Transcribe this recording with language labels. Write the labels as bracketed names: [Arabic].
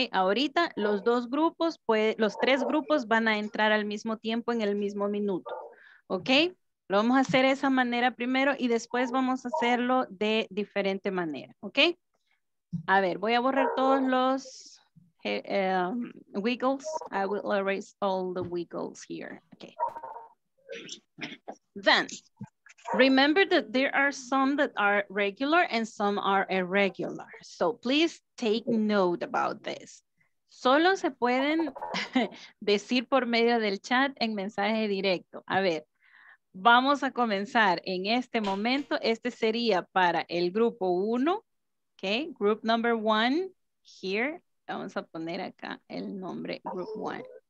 [Spanish] Ahorita los dos grupos, los tres grupos van a entrar al mismo tiempo en el mismo minuto. ¿Ok? Lo vamos a hacer de esa manera primero y después vamos a hacerlo de diferente manera. ¿Ok? A ver, voy a borrar todos los wiggles. [English] I will erase all the wiggles here. Okay. Then, remember that there are some that are regular and some are irregular. So please take note about this. [Spanish] solo se pueden decir por medio del chat en mensaje directo. A ver, vamos a comenzar en este momento. Este sería para el grupo 1, ok, [English] group number 1, here. [Spanish] Vamos a poner acá el nombre group 1.